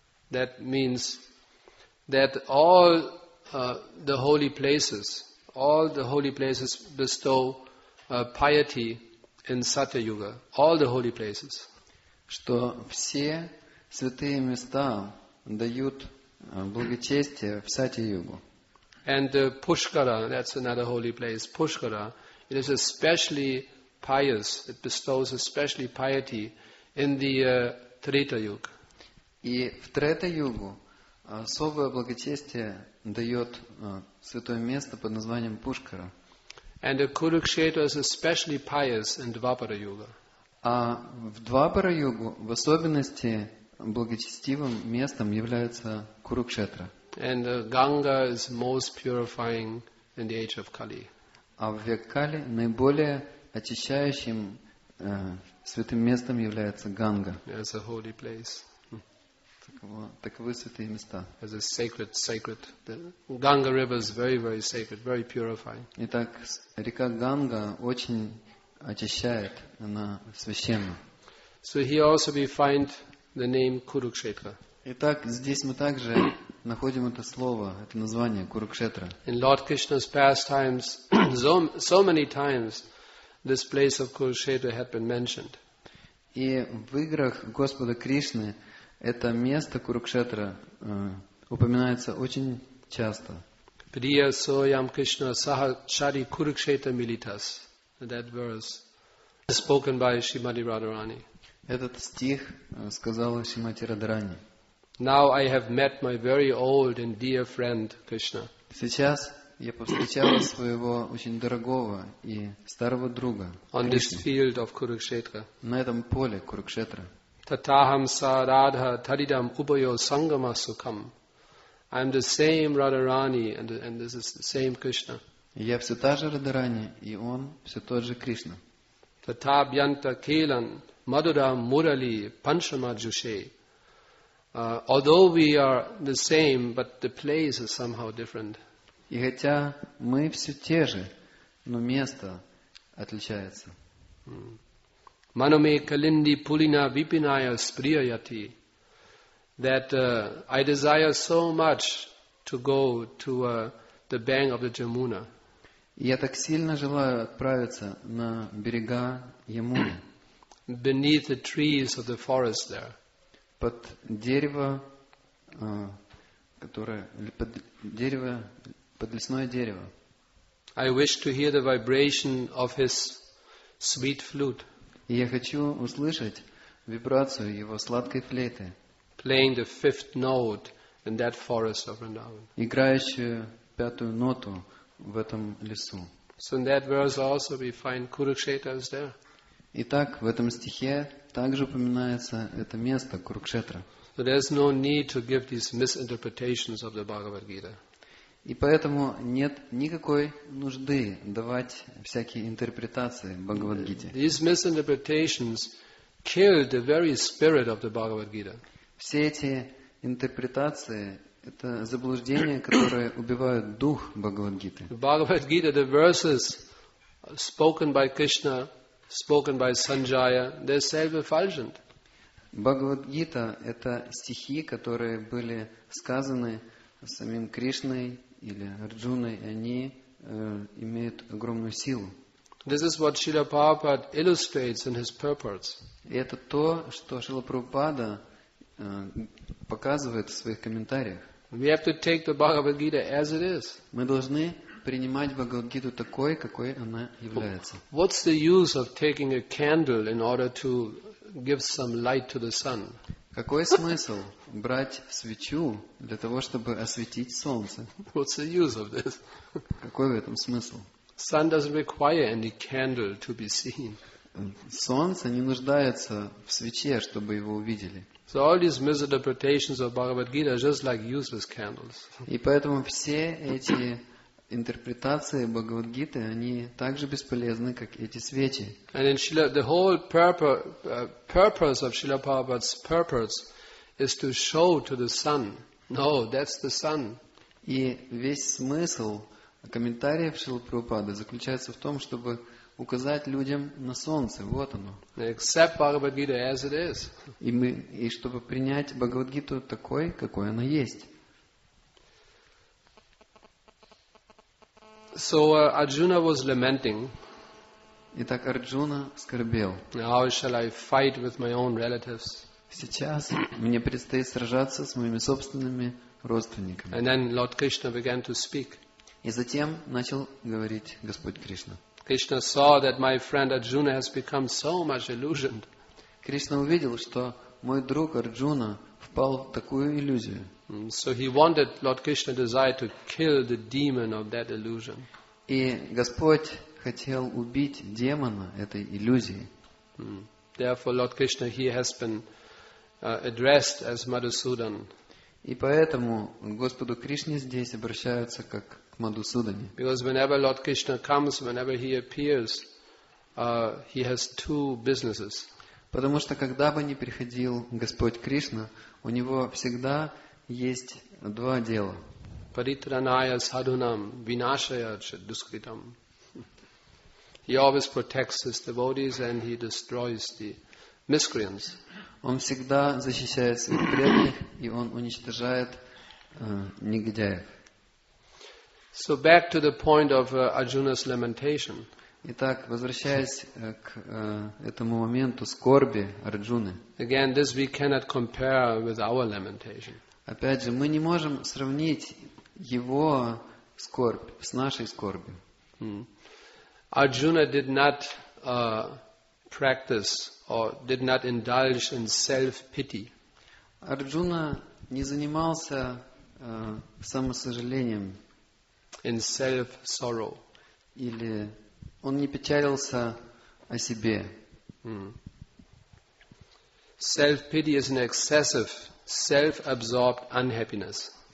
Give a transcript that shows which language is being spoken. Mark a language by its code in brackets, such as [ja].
[en] That means that all the holy places, all the holy places bestow piety in Satya Yuga. All the holy places. [ru] Что все святые места дают благочестие в Сатья Югу. [en] And Pushkara, that's another holy place. Pushkara, it is especially pious. It bestows especially piety in the Treta Yuga. [ru] И в Трета Югу особое благочестие дает святое место под названием Пушкара. [en] And the Kurukshetra is especially pious in Dvapara Yuga. [ru] А в Двапара Югу в особенности благочестивым местом является Курукшетра. [en] And Ganga is most purifying in the age of Kali. [ru] А в век Кали наиболее очищающим святым местом является Ганга. [en] It's a holy place. [ru] Таковы святые места. [en] As a sacred. The Ganga river is very, very sacred, very purifying. [ru] Итак, река Ганга очень очищает, она священна. [en] So here also we find the name Kurukshetra. [ru] Итак, здесь мы также находим это слово, это название Курукшетра. [en] In Lord Krishna's pastimes, so many times this place of Kurukshetra had been mentioned. [ru] И в играх Господа Кришны это место Курукшетра упоминается очень часто. [sa] Priya soyam Krishna saha shari Kurukshetra militas. [en] That verse is spoken by Srimati Radharani. [ru] Этот стих сказала Шримати Радхарани. [en] Now I have met my very old and dear friend Krishna. [ru] Сейчас я повстречала своего очень дорогого и старого друга. [en] On this field of Kurukshetra. [ru] На этом поле Курукшетра. [sa] Tataham sa Radha taridam ubayo sangama sukham. [en] I am the same Radharani and this is the same Krishna. [ru] Я все та же Радхарани и он все тот же Кришна. [sa] Tatabhyanta kelan madura murali panchama jushe. [en] Although we are the same, but the place is somehow different. [ru] И хотя мы все те же, но место отличается. [sa] Manome kalindi pulina vipinaya spriyati. [en] That I desire so much to go to the bank of the Jamuna. [ru] Я так сильно желаю отправиться на берега Ямуны. [en] Beneath the trees of the forest there. [ru] Под дерево, которое под дерево, под лесное дерево. [en] I wish to hear the vibration of his sweet flute. [ru] Я хочу услышать вибрацию его сладкой флейты. [en] Playing the fifth note in that forest of Vrindavan. [ru] Играющую пятую ноту в этом лесу. [en] So in that verse also we find Kurukshetra is there. [ru] Итак, в этом стихе также упоминается это место Курукшетра. [en] So there's no need to give these misinterpretations of the Bhagavad Gita. [ru] И поэтому нет никакой нужды давать всякие интерпретации Бхагавад Гите. [en] These misinterpretations kill the very spirit of the Bhagavad Gita. [ru] Все эти интерпретации – это заблуждения, которые убивают дух Бхагавад Гиты. [en] Bhagavad Gita, the verses spoken by Krishna, spoken by Sanjaya, they're self-effulgent. [ru] Bhagavad Gita – это стихи, которые были сказаны самим Кришной или Арджуной, и они имеют огромную силу. [en] This is what Srila Prabhupada illustrates in his purports. [ru] И это то, что Шрила Прабхупада показывает в своих комментариях. [en] We have to take the Bhagavad Gita as it is. [ru] Мы должны принимать Бхагавад Гиту такой, какой она является. [en] What's the use of taking a candle in order to give some light to the sun? [ru] Какой смысл брать свечу для того, чтобы осветить солнце? [en] What's the use of this? [ru] Какой в этом смысл? [en] Sun doesn't require any candle to be seen. [ru] Солнце не нуждается в свече, чтобы его увидели. [en] So all these misinterpretations of Bhagavad Gita are just like useless candles. [ru] И поэтому все эти интерпретации Бхагавад Гиты, они так же бесполезны, как эти свечи. [en] And in Shila, the whole purpose of Srila Prabhupada's purports is to show to the sun. No, that's the sun. [ru] И весь смысл комментариев Шрилы Прабхупады заключается в том, чтобы указать людям на солнце. Вот оно. [en] Accept Bhagavad Gita as it is. [ru] И чтобы принять Бхагавад Гиту такой, какой она есть. [en] So Arjuna was lamenting. [ru] Итак, Арджуна скорбел. [en] How shall I fight with my own relatives? [ru] Сейчас мне предстоит сражаться с моими собственными родственниками. [en] And then Lord Krishna began to speak. [ru] И затем начал говорить Господь Кришна. [en] Krishna saw that my friend Arjuna has become so much illusioned. [ru] Кришна увидел, что мой друг Арджуна впал в такую иллюзию. [en] So he wanted, Lord Krishna desired to kill the demon of that illusion. [ru] И Господь хотел убить демона этой иллюзии. [en] Therefore, Lord Krishna here has been addressed as Madhusudan. [ru] И поэтому Господу Кришне здесь обращаются как к Мадхусудане. [en] Because whenever Lord Krishna comes, whenever he appears, he has two businesses. [ru] Потому что когда бы ни приходил Господь Кришна, у него всегда есть два дела. [sa] Paritranaya sadhunam vinashaya duskritam. [en] He always protects his devotees and he destroys the miscreants. [ru] Он всегда защищает своих преданных и он уничтожает негодяев. [en] So back to the point of Arjuna's lamentation. [ru] Итак, возвращаясь к этому моменту скорби Арджуны. [en] Again, this we cannot compare with our lamentation. [ru] Опять же, мы не можем сравнить его скорбь с нашей скорбью. [en] Arjuna did not practice or did not indulge in self-pity. [ru] Арджуна не занимался самосожалением. [en] In self-sorrow. [ru] Или он не печалился о себе. [en] Self-pity is an excessive, self-absorbed unhappiness.